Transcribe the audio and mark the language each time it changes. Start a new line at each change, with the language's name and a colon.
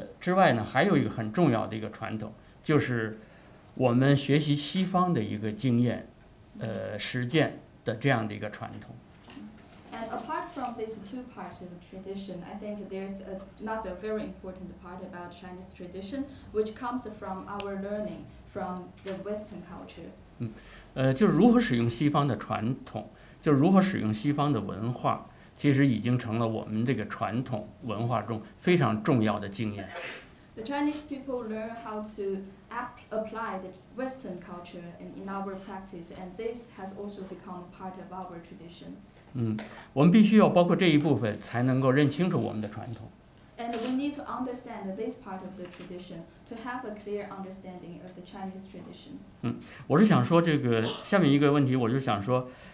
Chinese: 当然在我们的这两个传统的部分之外呢，还有一个很重要的一个传统。就是我们学习西方的一个经验实践的这样的一个传统。
English: And apart from these two parts of tradition, I think there's another very important part about Chinese tradition, which comes from our learning from the Western culture.
Chinese: 就是如何使用西方的传统，就是如何使用西方的文化。其实已经成了我们这个传统文化中非常重要的经验。
English: The Chinese people learn how to apply the Western culture in our practice, and this has also become part of our tradition.
Chinese: 我们必须要包括这一部分才能够认清楚我们的传统。
English: And we need to understand this part of the tradition to have a clear understanding of the Chinese tradition.
Chinese: 我是想说这个下面一个问题，我就想说。